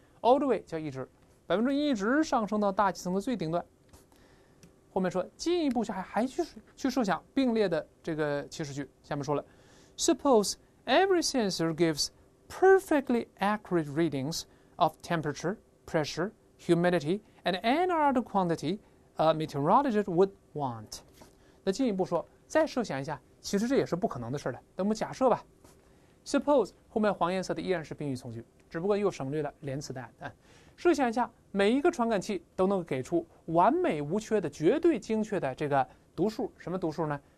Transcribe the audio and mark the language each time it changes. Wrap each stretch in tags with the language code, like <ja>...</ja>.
<en>All the way</en> <zh>叫一直，百分之一直上升到大气层的最顶端。后面说进一步还去设想并列的这个祈使句，下面说了。</zh> <en>Suppose every sensor gives perfectly accurate readings of temperature, pressure, humidity, and any other quantity a meteorologist would want.</en> <zh>那进一步说，再设想一下，其实这也是不可能的事的。那我们假设吧。 Suppose 后面黄颜色的依然是宾语从句，只不过又省略了连词的add。设想一下，每一个传感器都能给出完美无缺的、绝对精确的这个读数，什么读数呢？</zh>